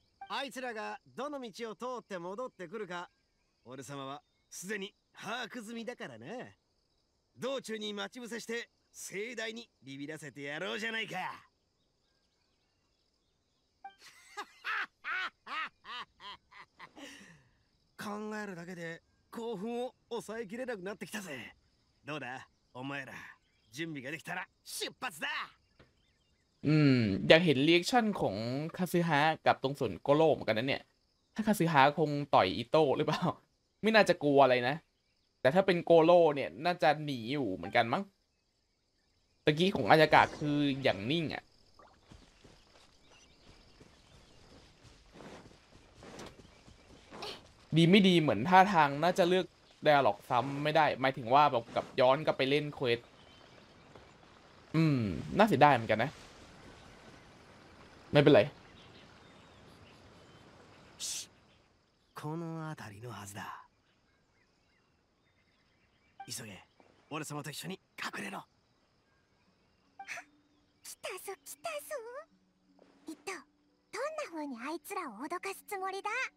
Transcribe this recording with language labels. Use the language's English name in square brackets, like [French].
[Japanese] あいつらがどの道を通って戻ってくるか俺様はすでに把握済みだからな道中に待ち伏せして盛大にビビらせてやろうじゃないかだけで興奮を抑えきれなくなってきたぜどうだお前ら準備ができたら出発だ [Thai] อยากเห็นรีแอคชั่นของคาซึฮะกับตรงส่วนโกโร่เหมือนกันนะเนี่ยถ้าคาซึฮะคงต่อยอิโต้หรือเปล่าไม่น่าจะกลัวอะไรนะแต่ถ้าเป็นโกโร่เนี่ยน่าจะหนีอยู่เหมือนกันมั้งตะกี้ของอายากะคืออย่างนิ่งอะ ดีไม่ดีเหมือนท่าทางน่าจะเลือกไดอะล็อกซ้ำไม่ได้หมายถึงว่าแบบกับย้อนกลับไปเล่นเควสน่าเสียดายเหมือนกันนะไม่เป็นไร [Japanese] この辺りのはずだ急げ俺様と一緒に隠れろ来たぞ来たぞ一体どんな風にあいつらを脅かすつもりだ